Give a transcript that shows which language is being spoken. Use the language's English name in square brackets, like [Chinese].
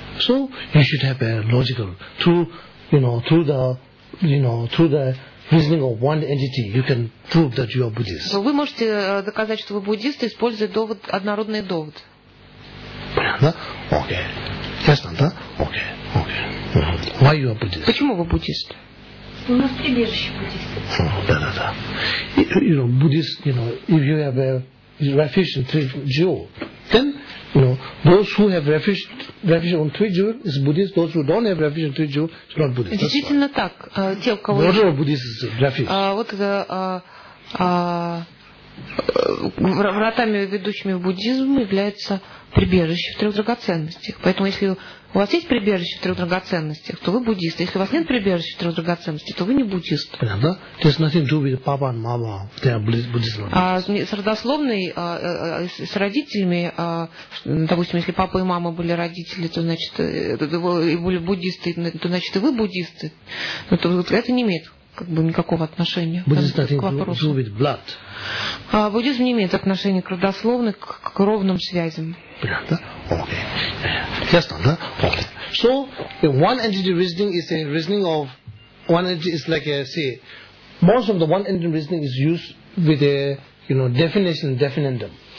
[English] So you should have a logical through the reasoning of one entity, you can prove that you are Buddhist. [Russian] Вы можете доказать, что вы буддист, используя довод, однородный довод. [English] Понятно? Okay. Ясно, да? Окей, окей. Why you are Buddhist? [Russian] Почему вы буддист? У нас прибежище буддистов. Да. [English] You know, Buddhist, you know, if you have a refuge in three jewel, then, you know, those who have refuge on three jewel is Buddhist, those who don't have refuge in three jewel is not Buddhist. [Russian] Действительно так. Те, у кого... [English] Order of Buddhist is refuge. [Russian] Вот это... вратами, ведущими в буддизм, является прибежище в трех драгоценностях. Поэтому если у вас есть прибежище в трех драгоценностях, то вы буддист. Если у вас нет прибежища в трех драгоценностях, то вы не буддист. Понятно? То есть nothing to do with папа и мама, they are буддизм. С родословной, с родителями, допустим, если папа и мама были родители, то значит, и были буддисты, то значит, и вы буддисты. Но это не имеет как бы никакого отношения к вопросу. Буддизм не имеет отношения к родословной, к кровным связям. Понятно? Окей. Ясно, да? Окей. [English] So, one entity reasoning is a reasoning of one entity is like a, say, most of the one entity reasoning is used with a, you know, definition, definendum.